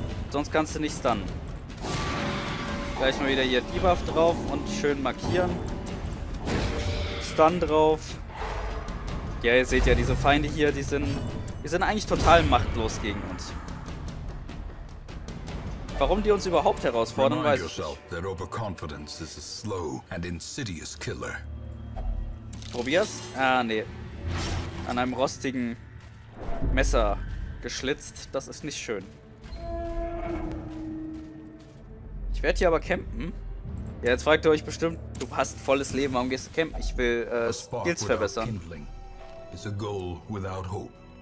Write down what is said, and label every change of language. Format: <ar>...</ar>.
<de>Sonst kannst du nicht stunnen. Gleich mal wieder hier Debuff drauf und schön markieren. Stun drauf. Ja, ihr seht ja, diese Feinde hier, die sind... Wir sind eigentlich total machtlos gegen uns. warum die uns überhaupt herausfordern, weiß ich nicht.</de> <en>That overconfidence is a slow and insidious killer.</en> <de>Probier's? Ah, nee. An einem rostigen Messer geschlitzt. Das ist nicht schön. Ich werde hier aber campen. Ja, jetzt fragt ihr euch bestimmt, du hast volles Leben, warum gehst du campen? Ich will Skills verbessern.</de> <en>Is a goal without hope.</en>